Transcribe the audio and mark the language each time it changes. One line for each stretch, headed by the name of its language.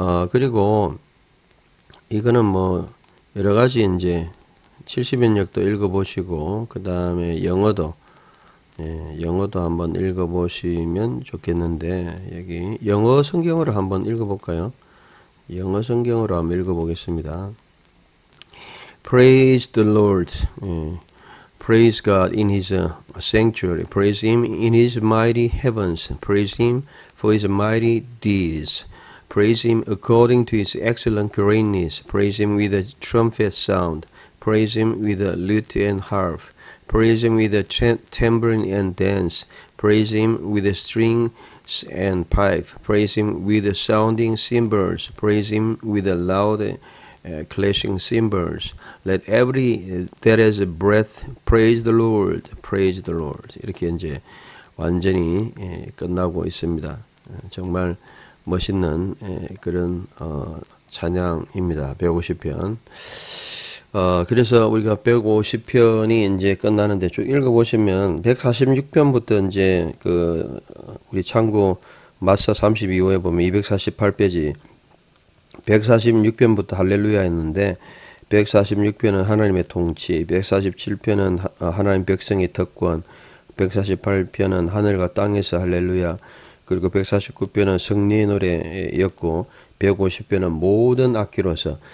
Korean: 그리고 이거는 뭐 여러 가지 이제 70인역도 읽어보시고 그 다음에 영어도. 예, 영어도 한번 읽어보시면 좋겠는데, 여기 영어 성경으로 한번 읽어볼까요? 영어 성경으로 한번 읽어보겠습니다.
English: Praise the Lord. 예, praise God in his sanctuary. Praise him in his mighty heavens. Praise him for his mighty deeds. Praise him according to his excellent greatness. Praise him with a trumpet sound. Praise him with a lute and harp. Praise him with a tambourine and dance. Praise him with the strings and pipe. Praise him with the sounding cymbals. Praise him with the loud clashing cymbals. Let every that has a breath praise the Lord. Praise the Lord.
Korean: 이렇게 이제 완전히 끝나고 있습니다. 정말 멋있는 그런 찬양입니다. 150편. 그래서 우리가 150편이 이제 끝나는데 쭉 읽어보시면 146편부터 이제 그 우리 창구 마사 32호에 보면 248페이지 146편부터 할렐루야 했는데 146편은 하나님의 통치, 147편은 하나님 백성의 특권, 148편은 하늘과 땅에서 할렐루야, 그리고 149편은 승리의 노래였고 150편은 모든 악기로서.